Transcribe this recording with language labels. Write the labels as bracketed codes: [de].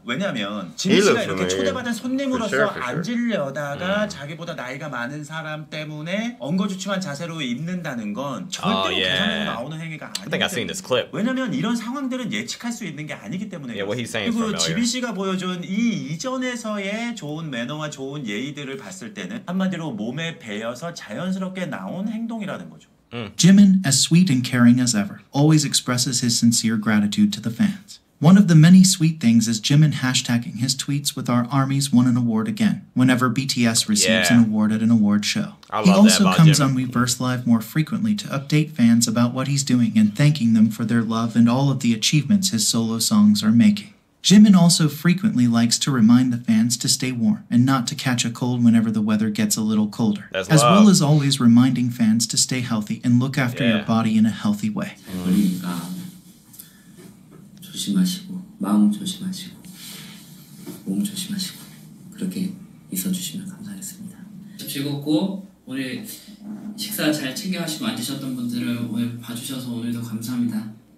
[ko] 왜냐면 지민씨가 이렇게 초대받은 손님으로서 앉으려다가 자기보다 나이가 많은 사람 때문에 엉거주춤한 자세로 입는다는 건 절대로 계산으로 나오는 행위가 아니기 때문에. 왜냐면 이런 상황들은 예측할 수 있는 게 아니기 때문에. 그리고 지민씨가 보여준 이 이전에서의 좋은 매너와 좋은 예의들을 봤을 때는 한마디로 몸에 배어서 자연스럽게 나온 행동이라는 거죠. [en] Jimin, as sweet and caring as ever, always expresses his sincere gratitude to the fans. One of the many sweet things is Jimin hashtagging his tweets with "Our ARMYs won an award again" whenever BTS receives an award at an award show. He also comes on Weverse Live more frequently to update fans about what he's doing and thanking them for their love and all of the achievements his solo songs are making. Jimin also frequently likes to remind the fans to stay warm and not to catch a cold whenever the weather gets a little colder. That's love. Well as always reminding fans to stay healthy and look after your body in a healthy way. [ko] 그러니까 조심하시고 마음 조심하시고 몸 조심하시고 그렇게 있어주시면 감사하겠습니다. 즐겁고 오늘 식사 잘 챙겨가시고 안 드셨던 분들을 오늘 봐주셔서 오늘도 감사합니다.